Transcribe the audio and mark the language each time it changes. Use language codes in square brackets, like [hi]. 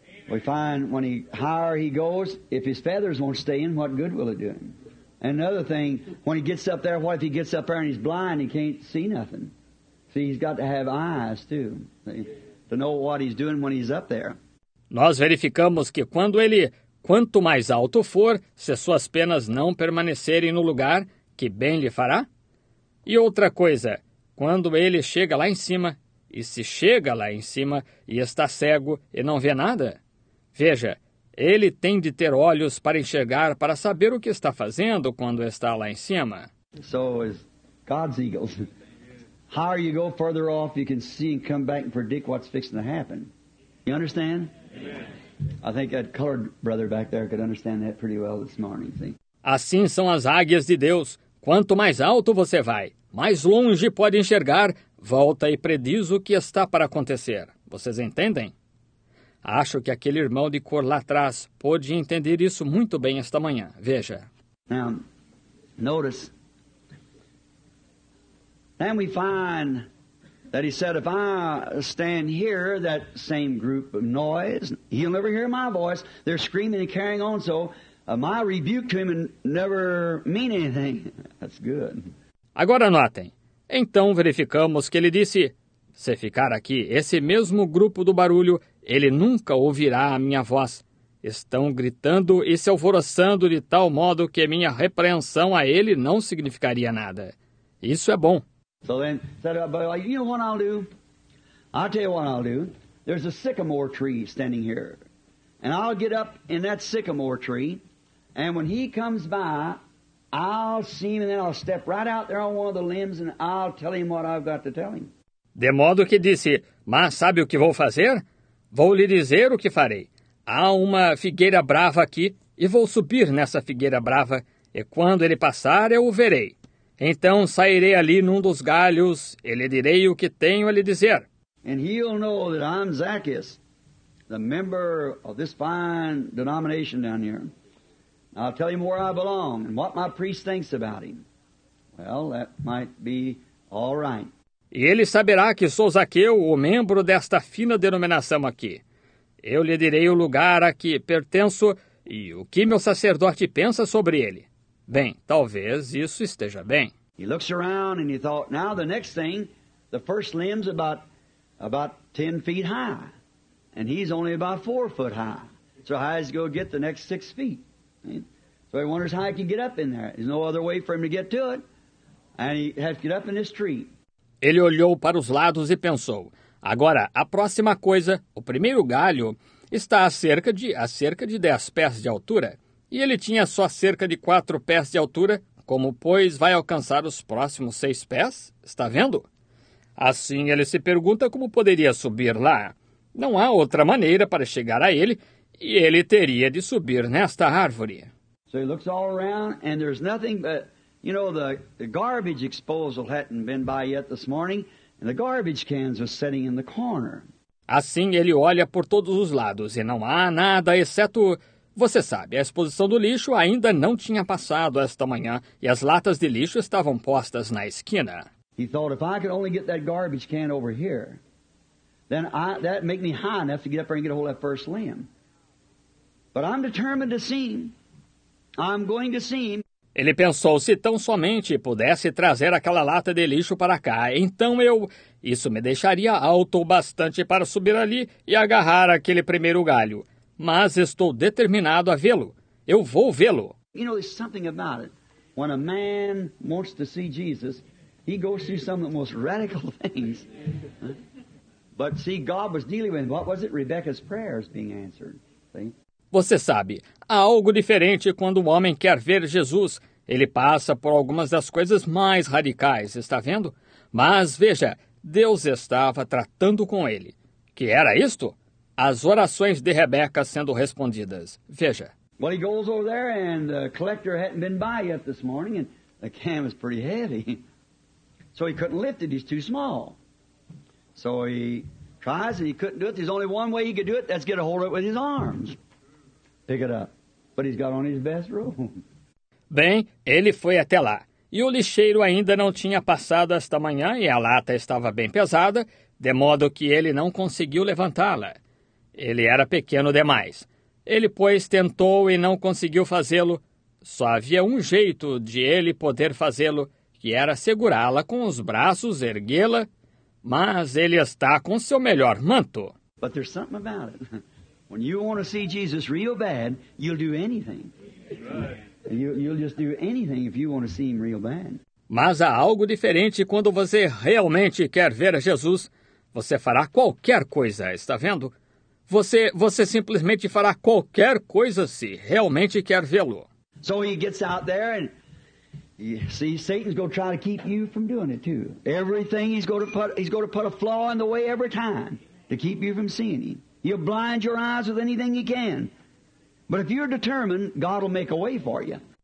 [en] We find when he higher he goes, if his feathers won't stay in, what good will it do him? Another thing, when he gets up there, what if he gets up there and he's blind and can't see nothing? See, he's got to have eyes too, to know what he's doing when he's up there. [pt] Nós verificamos que quando ele, quanto mais alto for, se suas penas não permanecerem no lugar, que bem lhe fará? E outra coisa, quando ele chega lá em cima, e se chega lá em cima e está cego e não vê nada? Veja, ele tem de ter olhos para enxergar, para saber o que está fazendo quando está lá em cima. [en] So is God's eagles. Higher you go further off, you can see and come back and predict what's fixing to happen. You understand? Amen. I think that colored brother back there could understand that pretty well this morning, see? [pt] Assim são as águias de Deus. Quanto mais alto você vai, mais longe pode enxergar, volta e prediz o que está para acontecer. Vocês entendem? Acho que aquele irmão de cor lá atrás pôde entender isso muito bem esta manhã. Veja. [en] Now, Notice. Then we find that he said, if I stand here, that same group of noise, he'll never hear my voice. They're screaming and carrying on, so my rebuke to him and never mean anything. That's good. [pt] Agora notem. Então verificamos que ele disse, se ficar aqui esse mesmo grupo do barulho, ele nunca ouvirá a minha voz. Estão gritando e se alvoroçando de tal modo que minha repreensão a ele não significaria nada. Isso é bom. [en] So then, said, you know what I'll do? I'll tell you what I'll do. There's a sycamore tree standing here. And I'll get up in that sycamore tree. And when he comes by, I'll see him and then I'll step right out there on one of the limbs and I'll tell him what I've got to tell him. [pt] De modo que disse, mas sabe o que vou fazer? Vou lhe dizer o que farei. Há uma figueira brava aqui e vou subir nessa figueira brava. E quando ele passar, eu o verei. Então sairei ali num dos galhos e lhe direi o que tenho a lhe dizer. [en] And he'll know that I'm Zacchaeus, the member of this fine denomination down here. I'll tell him where I belong and what my priest thinks about him. Well, that might be all right. [pt] E ele saberá que sou Zaqueu, o membro desta fina denominação aqui. Eu lhe direi o lugar a que pertenço e o que meu sacerdote pensa sobre ele. Bem, talvez isso esteja bem. [en] He looks around and he thought, now the next thing, the first limb's about 10 feet high. And he's only about 4 foot high. So how is he going to get the next 6 feet? So he wonders how he can get up in there. There's no other way for him to get to it. And he has to get up in this tree. [pt] Ele olhou para os lados e pensou, agora, a próxima coisa, o primeiro galho, está a cerca de 10 pés de altura. E ele tinha só cerca de 4 pés de altura, como, pois, vai alcançar os próximos 6 pés? Está vendo? Assim, ele se pergunta como poderia subir lá. Não há outra maneira para chegar a ele, e ele teria de subir nesta árvore. [en] So he looks all around, and there's nothing but... You know, the garbage disposal hadn't been by yet this morning, and the garbage cans were sitting in the corner. [pt] Assim ele olha por todos os lados, e não há nada, exceto... Você sabe, a exposição do lixo ainda não tinha passado esta manhã, e as latas de lixo estavam postas na esquina. [en] He thought, if I could only get that garbage can over here, then that'd make me high enough to get up there and get a hold of that first limb. But I'm determined to see him. I'm going to see him. [pt] Ele pensou, se tão somente pudesse trazer aquela lata de lixo para cá, então eu... Isso me deixaria alto o bastante para subir ali e agarrar aquele primeiro galho. Mas estou determinado a vê-lo. Eu vou vê-lo. [en] You know, there's something about it. When a man wants to see Jesus, he goes through some of the most radical things. But see, God was dealing with... What was it? Rebecca's prayers being answered. See? [pt] Você sabe, há algo diferente quando o homem quer ver Jesus. Ele passa por algumas das coisas mais radicais, está vendo? Mas veja, Deus estava tratando com ele. Que era isto? As orações de Rebeca sendo respondidas. Veja. [en] Well, he goes over there and the collector hadn't been by yet this morning and the can was pretty heavy. So he couldn't lift it, he's too small. So he tries and he couldn't do it. There's only one way he could do it, that's get a hold of it with his arms. Pick it up. But he's got on his best robe. [pt] Bem, ele foi até lá. E o lixeiro ainda não tinha passado esta manhã e a lata estava bem pesada, de modo que ele não conseguiu levantá-la. Ele era pequeno demais. Ele, pois, tentou e não conseguiu fazê-lo. Só havia um jeito de ele poder fazê-lo, que era segurá-la com os braços, erguê-la. Mas ele está com seu melhor manto. [en] But there's something about it. When you want to see Jesus real bad, you'll do anything. Right. You'll just do anything if you want to see him real bad. [pt] Mas há algo diferente quando você realmente quer ver Jesus. Você fará qualquer coisa, está vendo? Você simplesmente fará qualquer coisa se realmente quer vê-lo. [en] So he gets out there and you see Satan's going to try to keep you from doing it too. Everything he's going to put a flaw in the way every time to keep you from seeing him. He'll blind your eyes with anything he can. But if you're determined, God will make a way for you.